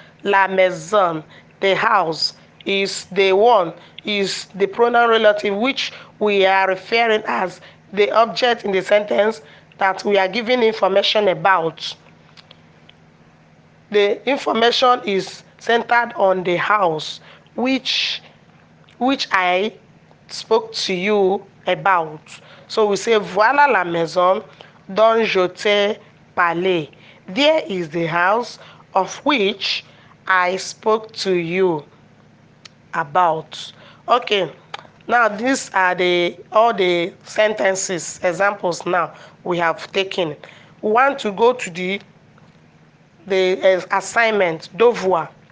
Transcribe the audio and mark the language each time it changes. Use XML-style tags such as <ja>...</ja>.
<fr>La maison,</fr> <en>the house, is the one, is the pronoun relative which we are referring as the object in the sentence that we are giving information about. The information is centered on the house which I spoke to you about. So we say,</en> <fr>voilà la maison dont je t'ai parlé.</fr> <en>There is the house of which I spoke to you about. Okay, now these are all the sentences, examples now we have taken. We want to go to the assignment, devoir.</en>